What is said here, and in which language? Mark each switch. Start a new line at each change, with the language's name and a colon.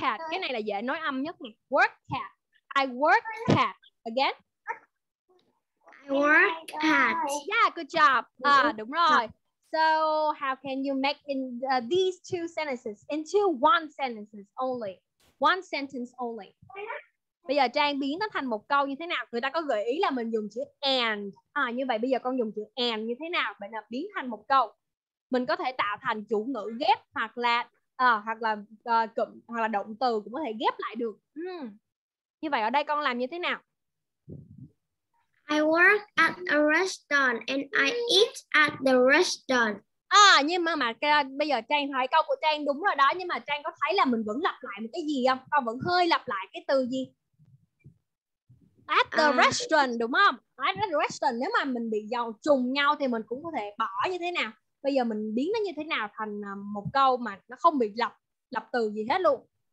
Vietnamese: Cái này là dễ nối âm nhất này.
English: Work at. I work at. Again. I work at. Yeah, good job.
Vietnamese: Đúng rồi.
English: So how can you make in these two sentences into one sentence only? One sentence only.
Vietnamese: Bây giờ Trang biến nó thành một câu như thế nào? Người ta có gợi ý là mình dùng chữ and. À, như vậy bây giờ con dùng chữ and như thế nào? Vậy là biến thành một câu. Mình có thể tạo thành chủ ngữ ghép hoặc là cụm hoặc là động từ cũng có thể ghép lại được. Như vậy ở đây con làm như thế nào?
English: I work at a restaurant and I eat at the restaurant.
Vietnamese: À, nhưng mà bây giờ Trang hỏi câu của Trang đúng rồi đó. Nhưng mà Trang có thấy là mình vẫn lặp lại một cái gì không? Con vẫn hơi lặp lại cái từ gì?
English: At the restaurant,
Vietnamese: đúng không?
English: At the restaurant,
Vietnamese: nếu mà mình bị dầu trùng nhau thì mình cũng có thể bỏ như thế nào? Bây giờ mình biến nó như thế nào thành một câu mà nó không bị lặp từ gì hết luôn?